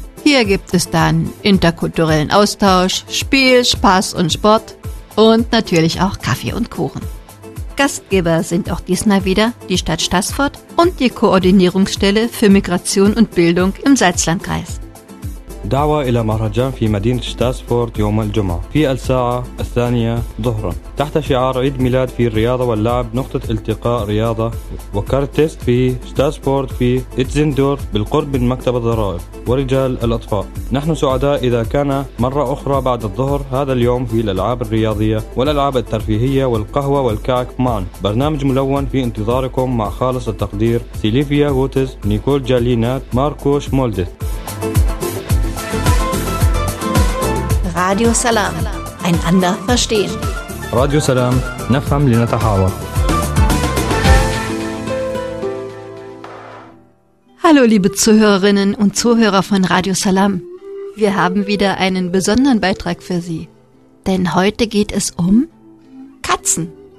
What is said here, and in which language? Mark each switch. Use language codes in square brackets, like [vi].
[de] Hier gibt es dann interkulturellen Austausch, Spiel, Spaß und Sport und natürlich auch Kaffee und Kuchen. Gastgeber sind auch diesmal wieder die Stadt Staßfurt und die Koordinierungsstelle für Migration und Bildung im Salzlandkreis. [ar] دعوة إلى مهرجان في مدينة شتاسفورد يوم الجمعة في الساعة الثانية ظهرا تحت شعار عيد ميلاد في الرياضة واللعب نقطة التقاء رياضة وكارتست في شتاسفورد في إتزندورف بالقرب من مكتب الضرائب ورجال الأطفاء. نحن سعداء إذا كان مرة أخرى بعد الظهر هذا اليوم في الألعاب الرياضية والألعاب الترفيهية والقهوة والكعك معا. برنامج ملون في انتظاركم مع خالص التقدير سيليفيا غوتز، نيكول جالينات، ماركوش مولدث. [de] Radio Salam, einander verstehen. [ar] Radio Salam, نفهم لنتحاور. [de] Hallo liebe Zuhörerinnen und Zuhörer von Radio Salam. Wir haben wieder einen besonderen Beitrag für Sie. Denn heute geht es um Katzen.